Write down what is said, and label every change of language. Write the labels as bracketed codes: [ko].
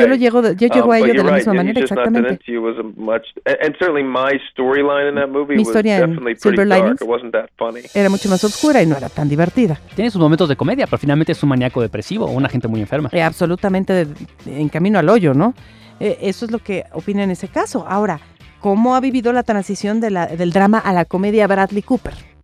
[es] Yo llego a ello de la misma manera, exactamente. [en] Not that into you was a much, and certainly my storyline in that movie was definitely Silver pretty Linings, dark. It wasn't that funny. [es] Era mucho más oscura y no era tan divertida. Tiene sus momentos de comedia, pero finalmente es un maníaco depresivo, una gente muy enferma. Absolutamente en camino al hoyo, ¿no? Eso es lo que opina en ese caso. Ahora, ¿cómo ha vivido la transición del drama a la comedia Bradley Cooper?